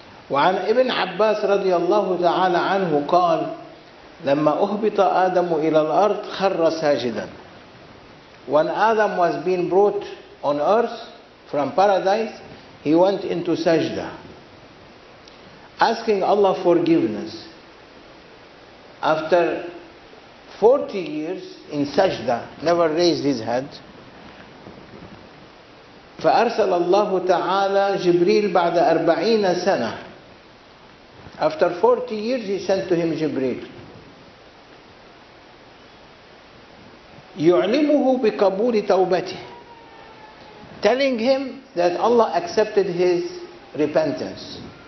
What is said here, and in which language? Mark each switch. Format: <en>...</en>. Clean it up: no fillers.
<ar>وعن ابن عباس رضي الله تعالى عنه قال لما أهبط آدم إلى الأرض خر ساجدا.</ar> <en>When Adam was being brought on earth from paradise, he went into sajda, asking Allah forgiveness. After 40 years in sajda, never raised his head.</en> <ar>فأرسل الله تعالى جبريل بعد 40 سنة.</ar> <en>After 40 years, he sent to him Jibreel.</en> <ar>يُعْلِمُهُ بِقَبُولِ تَوْبَتِهِ,</ar> <en>telling him that Allah accepted his repentance.</en>